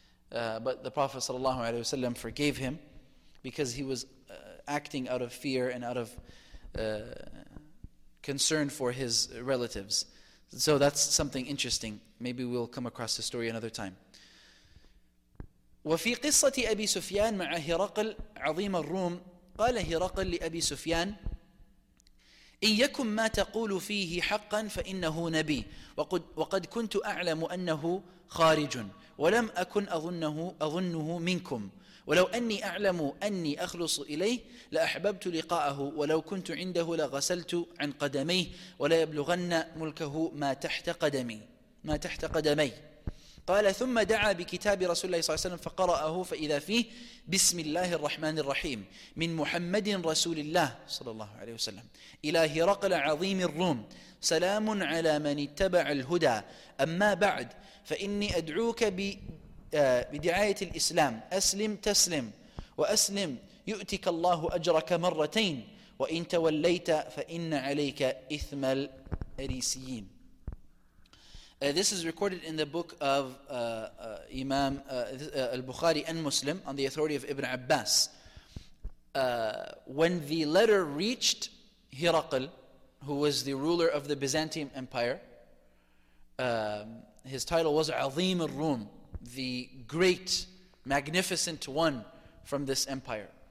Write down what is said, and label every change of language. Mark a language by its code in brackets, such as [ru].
[en] But the Prophet ﷺ forgave him because he was acting out of fear and out of concern for his relatives. So that's something interesting. Maybe we'll come across the story another time. [ar] وَفِي قِصَّةِ أَبِي سُفْيَانَ مَعَ هِرَقَلْ عَظِيمَ الرُّومِ قَالَ هِرَقَلْ لِأَبِي سُفْيَانَ إن يكن ما تقول فيه حقا فإنه نبي وقد كنت أعلم أنه خارج ولم أكن أظنه منكم ولو أني أعلم أني أخلص إليه لأحببت لقاءه ولو كنت عنده لغسلت عن قدميه ولا يبلغن ملكه ما تحت قدمي قال ثم دعا بكتاب رسول الله صلى الله عليه وسلم فقرأه فإذا فيه بسم الله الرحمن الرحيم من محمد رسول الله صلى الله عليه وسلم إلى هرقل عظيم الروم سلام على من اتبع الهدى أما بعد فإني أدعوك بدعاية الإسلام أسلم تسلم وأسلم يؤتك الله أجرك مرتين وإن توليت فإن عليك إثم الأريسيين. [en] This is recorded in the book of Imam al-Bukhari and Muslim on the authority of Ibn Abbas. When the letter reached Hiraql, who was the ruler of the Byzantine Empire, his title was Azim al-Rum, the great, magnificent one from this empire.